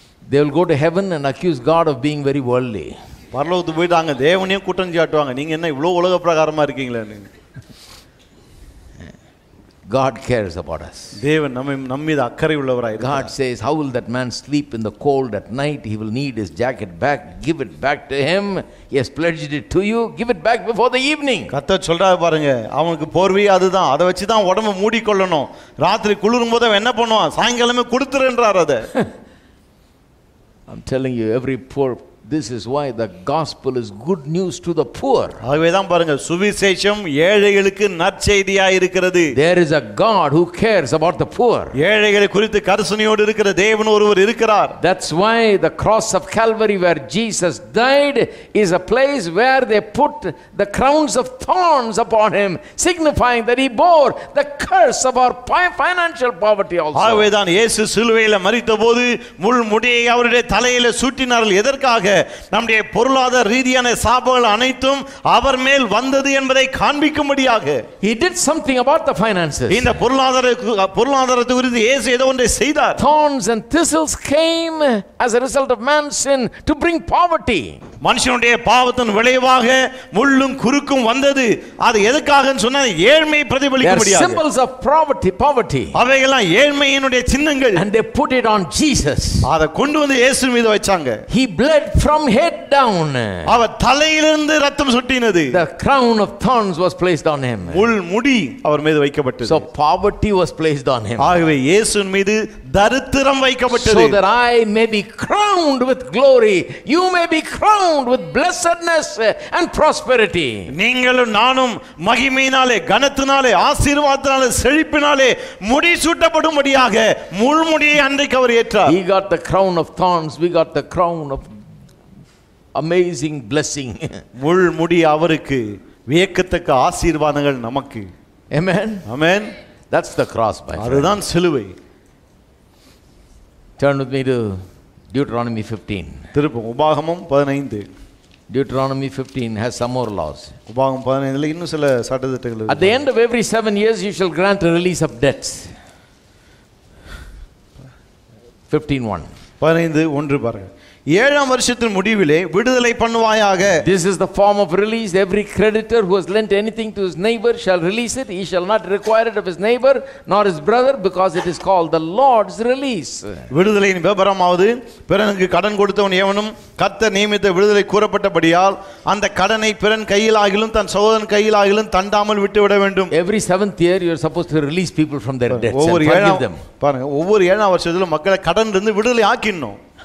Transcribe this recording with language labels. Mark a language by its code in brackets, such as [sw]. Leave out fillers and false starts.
[en] They will go to heaven and accuse God of being very worldly. [ta] பரலோகத்துக்கு போய்டாங்க, தேவனையும் குற்றம் சாட்டுவாங்க, நீங்க என்ன இவ்வளவு உலக பிரகாரமா இருக்கீங்களே. [en] God cares about us. [ta] தேவன் நம்மீது அக்கறை உள்ளவராய் இருக்கார். [en] God says how will that man sleep in the cold at night, he will need his jacket back, give it back to him, he has pledged it to you, give it back before the evening. [ta] கர்த்தர் சொல்றாரு பாருங்க, அவனுக்கு போர்வை அதுதான், அதை வச்சு தான் உடம்பு மூடி கொள்ளணும், ராத்திரி குளிரும் போது அவன் என்ன பண்ணுவான், சாயங்காலமே கொடுத்துறன்றார். அதை [en] I'm telling you, every poor, this is why the gospel is good news to the poor. [ta] அவேதான் பாருங்க, சுவிசேஷம் ஏழைகளுக்கு நற்செய்தியா இருக்கிறது. [en] There is a God who cares about the poor. [ta] ஏழைகளை குறித்து கருணையோடு இருக்கிற தேவன் ஒருவர் இருக்கிறார். [en] That's why the cross of Calvary where Jesus died is a place where they put the crowns of thorns upon him, signifying that he bore the curse of our financial poverty also. [ta] அவேதான் இயேசு சிலுவையில மரித்தபோது முள் முடியை அவருடைய தலையில சூட்டினார்கள், எதற்காக? நம்முடைய பொருளாதார ரீதியான சாபங்கள் அனைத்தும் அவர் மேல் வந்தது என்பதை காண்பிக்கும்படியாக. [en] He did something about the finances. [ta] இந்த பொருளாதாரத்தை குறித்து இயேசு ஏதோ ஒன்றை செய்தார். [en] Thorns and thistles came as a result of man's sin to bring poverty. [ta] மனுஷனுடைய பாவத்தின் விளைவாக முள்ளும் குறுக்கும் வந்தது. அது எதுக்காகன்னு சொன்னா ஏழ்மை பிரதிபலிக்கும்படியாக. [en] Symbols of poverty. [ta] அவைகளெல்லாம் ஏழ்மையினுடைய சின்னங்கள். [en] And they put it on Jesus. [ta] அதை கொண்டு வந்து இயேசு மீது வச்சாங்க. [en] He bled from head down. [ta] அவர் தலையிலிருந்து ரத்தம் சொட்டினது. [en] The crown of thorns was placed on him. [ta] முள் முடி அவர் மீது வைக்கப்பட்டது. [en] So poverty was placed on him. [ta] ஆகவே இயேசுவின் மீது தரித்திரம் வைக்கப்பட்டது. [en] So that I may be crowned with glory, you may be crowned with blessedness and prosperity. [ta] நீங்களும் நானும் மகிமையினாலே, கனத்தினாலே, ஆசீர்வாதத்தினாலே, செழிப்பினாலே முடி சூட்டப்படும்படியாக முள் முடியை அன்றைக்கு அவர் ஏற்றார். [en] He got the crown of thorns, we got the crown of amazing blessing. [ta] முள் முடி அவருக்கு, வியக்கத்தக்க ஆசீர்வாதங்கள் நமக்கு. [en] Amen. Amen. That's the cross, my friend. [ta] அதுதான் சிலுவை. [en] Turn with me to Deuteronomy 15. [ta] திருப்பும் உபாகமம் 15. [en] Deuteronomy 15 has some more laws. [ta] உபாகமம் 15 ல இன்னும் சில சட்டதிட்டங்கள். [en] At the end of every 7 years you shall grant a release of debts. 15:1. [ta] 15:1 பாருங்க. ஏழாம் வருஷத்தின் முடிவிலே விடுதலை பண்ணுவாயாக. [en] This is the form of release. Every creditor who has lent anything to his neighbor shall release it. He shall not require it of his neighbor nor his brother because it is called the Lord's release. [ta] விடுதலையின் விபரமாவது, பிறனுக்கு கடன் கொடுத்தவன் எவனும் கர்த்தர் நியமித்த விடுதலை கூறப்பட்டபடியால் அந்த கடனை பிறன் கையில் ஆகிலும் தன் சகோதரன் கையில் ஆகிலும் தண்டாமல் விட்டுவிட வேண்டும். [en] Every 7th year you are supposed to release people from their debts. [ta] ஒவ்வொரு ஏழாம் வருஷம் பாருங்க, ஒவ்வொரு ஏழாம் வருஷத்துல மக்களை கடன் இருந்து விடுதலை ஆக்கிடணும்.